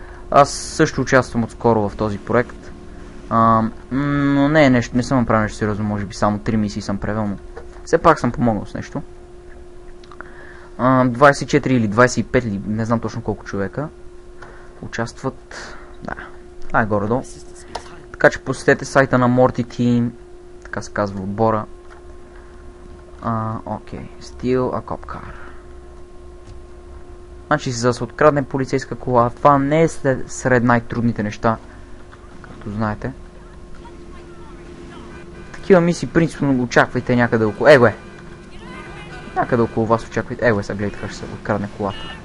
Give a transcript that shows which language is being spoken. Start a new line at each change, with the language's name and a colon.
Bulgarian: Аз също участвам отскоро в този проект. Но не е нещо, не съм направил нещо сериозно, може би само 3 мисии съм превел, но все пак съм помогнал с нещо. 24 или 25 или не знам точно колко човека участват. Да, това е горе-долу. Така че посетете сайта на Morty Team, така се казва отбора.
English: Окей, steal a cop car.
Bulgarian: Значи за да се открадне полицейска кола, това не е сред най-трудните неща, както знаете. Такива мисии принципно очаквайте някъде около... Его е! Някъде около вас очаквайте. Его е, сега гледайте как ще се открадне колата.